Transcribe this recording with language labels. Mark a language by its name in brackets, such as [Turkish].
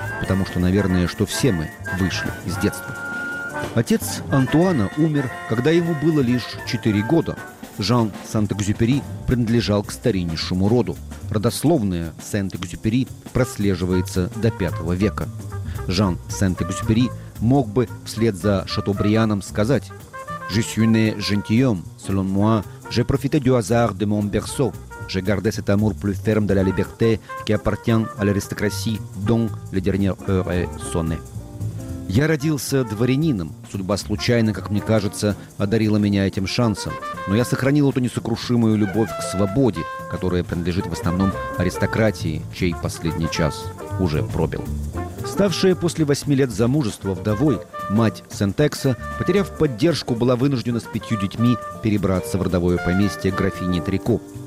[Russian] Потому что, наверное, что все мы вышли из детства. Отец Антуана умер, когда ему было лишь 4 года. Жан Сент-Экзюпери принадлежал к стариннейшему роду. Родословная Сент-Экзюпери прослеживается до 5 века. Жан Сент-Экзюпери мог бы вслед за Шатобрианом сказать: [French] «Je suis né gentilhomme, selon moi, j'ai profité du hasard de mon berceau, j'ai gardé cet amour plus ferme de la liberté qui appartient à l'aristocratie dont les dernières heures sonnaient». [Russian] «Я родился дворянином. Судьба случайно, как мне кажется, одарила меня этим шансом. Но я сохранил эту несокрушимую любовь к свободе, которая принадлежит в основном аристократии, чей последний час уже пробил». Ставшая после 8 лет замужества вдовой, мать Сент-Экса, потеряв поддержку, была вынуждена с 5 детьми перебраться в родовое поместье графини Трико.